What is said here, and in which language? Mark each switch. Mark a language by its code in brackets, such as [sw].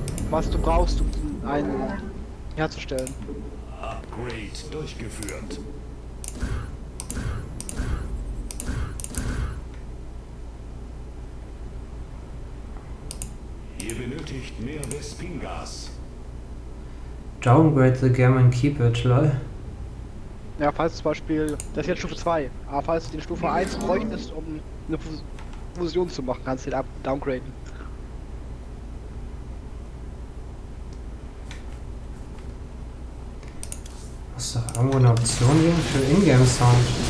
[de] Was du brauchst, um einen herzustellen. Upgrade durchgeführt. Ihr benötigt mehr Vespingas. [en] Downgrade the game and keep it, lol. [de] Ja, falls zum Beispiel, das ist jetzt Stufe 2, aber falls du den Stufe 1 bräuchtest, um eine Fusion zu machen, kannst du den downgraden. Muss doch irgendwo eine Option geben für Ingame-Sound.